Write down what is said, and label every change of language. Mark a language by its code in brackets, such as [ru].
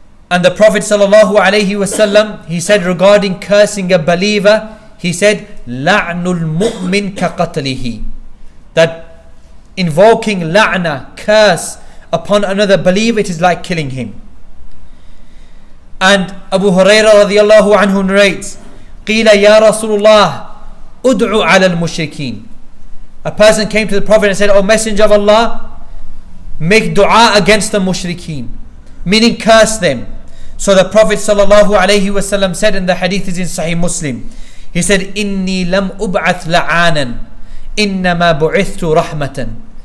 [en] And the Prophet sallallahu alayhi wasallam, he said regarding cursing a believer, he said, [ar] la'nul mu'min ka qatlihi, [en] that invoking la'na, curse upon another believer, it is like killing him. And Abu Huraira radiallahu anhu narrates, [ar] قِيلَ يَا رَسُولُ اللَّهِ أُدْعُ عَلَى الْمُشْرِكِينَ. [en] A person came to the Prophet and said, O Messenger of Allah, make dua against the mushrikeen, meaning curse them. So the Prophet sallallahu alayhi wasallam said, and the hadith is in Sahih Muslim, he said, [ar] إِنِّي لَمْ أُبْعَثْ لَعَانًا إِنَّمَا بُعِثْتُ رَحْمَةً.